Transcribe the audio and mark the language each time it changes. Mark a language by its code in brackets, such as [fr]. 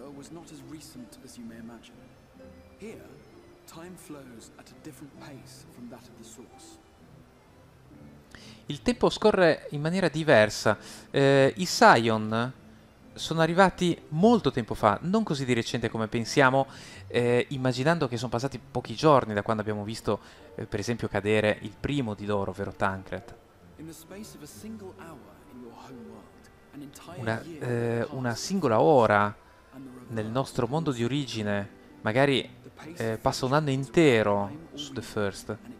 [en] Not as recent as you may imagine. Here, time flows at a different pace from that of the source. [it] Il tempo scorre in maniera diversa. I Scion sono arrivati molto tempo fa, non così di recente come pensiamo, immaginando che sono passati pochi giorni da quando abbiamo visto, per esempio, cadere il primo di loro, ovvero Tancred. [en] In the space of a single hour in your home world, an entire year. [it] Una singola ora nel nostro mondo di origine, magari passa un anno intero su The First.